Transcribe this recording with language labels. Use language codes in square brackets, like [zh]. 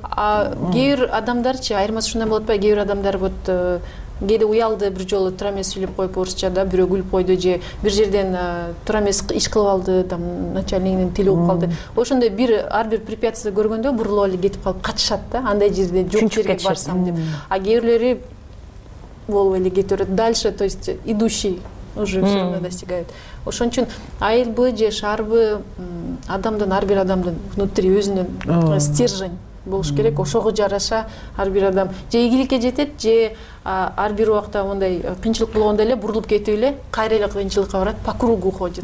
[ky] А кээ бир адамдарчы, айырмасы ушундан болот байбы, кээ бир адамдар вот кээде уялды, бир жолу тура эмес сүйлөп коюп орусча да, бирөө күлүп койду, же бир жерден тура эмес иш кылып алды, там начальнигинин тили угуп калды. Ошондой бир ар бир препятствие көргөндө бурулуп эле кетип калып катышат да, андай жерде жок жерге барсам деп. А кээ бирлери болуп эле кете берет [ru] дальше, то есть идущий уже все равно достигает. [ky] Ошон үчүн айылбы же шаарбы, адамдын, ар бир адамдын внутри өзүнүн стержень болуш керек. Ошого жараша ар бир адам же ийгиликке жетет, же ар бир убакта мындай кыйынчылык болгондо эле бурулуп кетип эле кайра эле кыйынчылыкка барат, [ru] по кругу ходит.